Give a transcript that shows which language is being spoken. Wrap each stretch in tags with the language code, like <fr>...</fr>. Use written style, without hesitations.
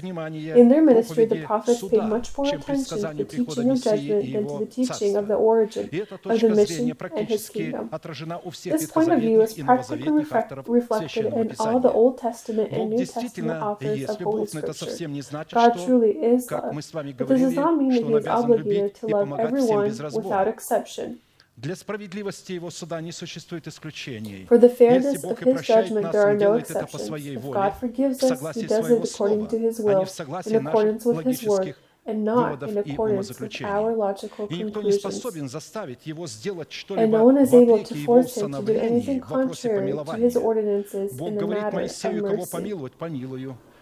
<en>In their ministry, the prophets paid much more attention to the teaching of judgment than to the teaching of the origin of the mission and his kingdom. This point of view is practically reflected in all the Old Testament and New Testament authors of Holy Scripture. God truly is love, but this does not mean that he is obligated to love everyone without exception.</en> <ru>Для справедливости его суда не существует исключений.</ru> <en>For the fairness of his judgment, there are no exceptions. If God forgives us, he does it according to his will, in accordance with his word, and not in accordance with our logical conclusions. And no one is able to force him to do anything contrary to his ordinances in the matter of mercy.</en>